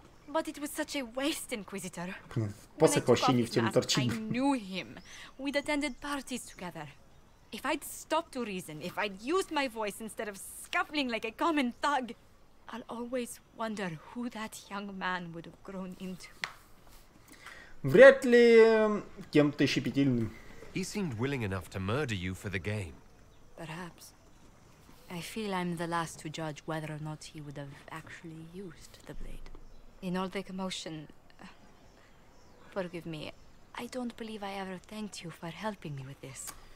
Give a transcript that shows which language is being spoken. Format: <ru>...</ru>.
<en>But it was such a waste, Inquisitor. When I took off his mask, I knew him. We'd attended parties together. If I'd stopped to reason, if I'd used my voice instead of scuffling like a common thug, I'll always wonder who that young man would have grown into.</en> <ru>Вряд ли кем-то щепетильным.</ru> <en>He seemed willing enough to murder you for the game. Perhaps. I feel I'm the last to judge whether or not he would have actually used the blade. In all the commotion, forgive me, I don't believe I ever thanked you for helping me with this.</en>